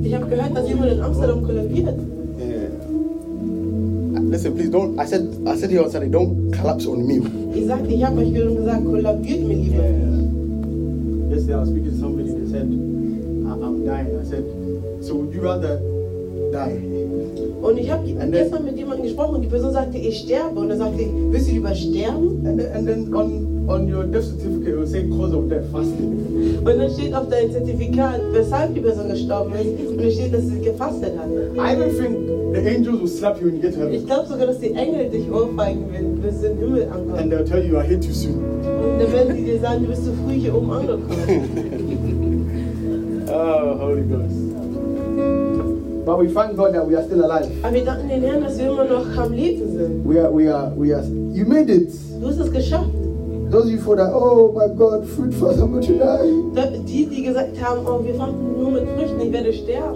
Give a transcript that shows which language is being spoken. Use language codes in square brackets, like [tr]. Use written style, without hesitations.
[de] Ich habe gehört, dass jemand in Amsterdam kollabiert. [en] Yeah. Listen, please don't. I said here on Sunday, don't collapse on me. [de] Ich sagte, ich habe euch gesagt, kollabiert, mein Lieber. [en] Yeah. Yesterday I was speaking to somebody and said, I'm dying. I said, so would you rather die? [de] Und ich habe gestern mit jemandem gesprochen und die Person sagte, ich sterbe. Und er sagte, willst du lieber sterben? [en] On your death certificate, it will say cause of death, fasting. [de] Und dann steht auf deinem Zertifikat, weshalb die Person gestorben ist, und es steht, dass sie gefastet hat. [en] I even think the angels will slap you when you get to heaven. [de] Ich glaube sogar, dass die Engel dich ohrfeigen, wenn du bis in den Himmel ankommst. [en] And they'll tell you, I hate you soon. [de] Und dann werden sie dir sagen, du bist zu früh hier oben angekommen. [en] Oh, Holy Ghost. But we thank God that we are still alive. [de] Aber wir danken den Herrn, dass wir immer noch am Leben sind. [en] We are. You made it. [de] Du hast es geschafft. [en] Those of you for that, oh my God, fruit fast, I'm going to die. [de] Die gesagt haben, oh, wir fasten nur mit Früchten, ich werde sterben.